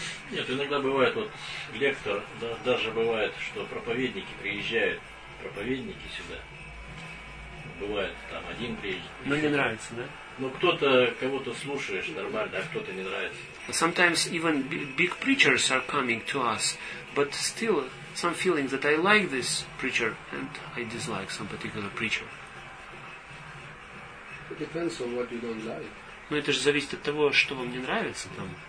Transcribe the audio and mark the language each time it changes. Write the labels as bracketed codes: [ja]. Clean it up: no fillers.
[ru] Нет, иногда бывает, вот лектор, да, даже бывает, что проповедники приезжают, проповедники сюда. Бывает, там один приезжает. Но не нравится, да? Ну кто-то кого-то слушаешь нормально, а кто-то не нравится. [en] Sometimes even big preachers are coming to us, but still some feeling that I like this preacher and I dislike some particular preacher. It depends on what you don't like. [ru] Но это же зависит от того, что вам не нравится там.